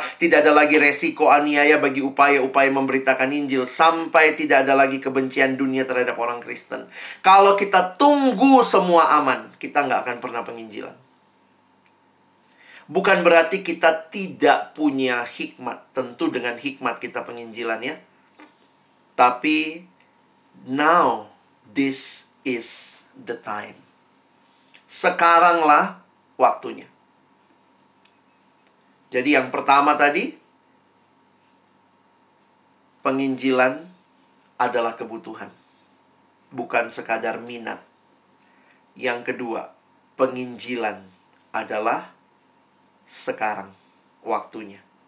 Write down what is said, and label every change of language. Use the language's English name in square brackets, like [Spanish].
[Indonesian] Tidak ada lagi resiko aniaya bagi upaya-upaya memberitakan Injil. Sampai tidak ada lagi kebencian dunia terhadap orang Kristen. Kalau kita tunggu semua aman, kita nggak akan pernah penginjilan. Bukan berarti kita tidak punya hikmat. Tentu dengan hikmat kita penginjilan ya. Tapi [English] now, this is the time. [Indonesian] Sekaranglah waktunya. Jadi yang pertama tadi, penginjilan adalah kebutuhan, bukan sekadar minat. Yang kedua, penginjilan adalah sekarang waktunya.